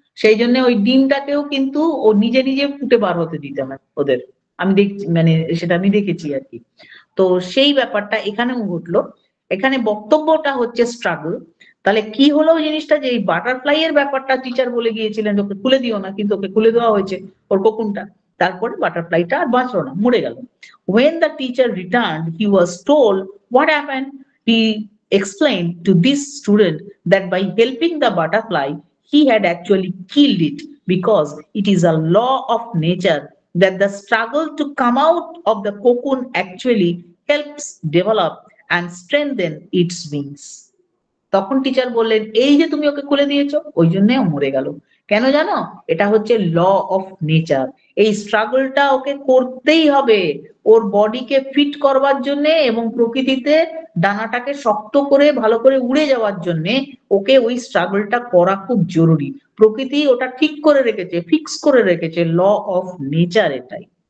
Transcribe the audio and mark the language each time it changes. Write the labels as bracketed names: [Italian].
[Bangla] সেই জন্য ওই ডিমটাকেও কিন্তু ও নিজে নিজে ফুটে বার হতে দিতে হয় ওদের, আমি দেখছি মানে সেটা আমি দেখেছি আর কি। তো সেই ব্যাপারটা এখানেও ঘটলো, এখানে বক্তব্যটা হচ্ছে স্ট্রাগল। তাহলে কি হলো জিনিসটা, যে এই বাটারফ্লাই এর ব্যাপারটা টিচার বলে গিয়েছিলেন ওকে খুলে দিও না, কিন্তু ওকে খুলে দেওয়া হয়েছে ওর কোকুনটা, তারপরে বাটারফ্লাইটা আর বাঁচলো না, মরে গেল। [English] When the teacher returned, he was told what happened. He explained to this student that by helping the butterfly, he had actually killed it, because it is a law of nature that the struggle to come out of the cocoon actually helps develop and strengthen its wings. [Bangla] তখন teacher বললেন, এই যে তুমি ওকে খুলে দিয়েছো ওই জন্যে ও মরে গেল, কেন জানো, এটা হচ্ছে ল অফ নেচার, এই স্ট্রাগলটা ওকে করতেই হবে ওর বডিকে ফিট করবার জন্যে, এবং প্রকৃতিতে ডানাটাকে শক্ত করে ভালো করে উড়ে যাওয়ার জন্যে ওকে ওই স্ট্রাগলটা করা খুব জরুরি, প্রকৃতি ওটা ঠিক করে রেখেছে, ফিক্স করে রেখেছে, ল অফ নেচার এটাই।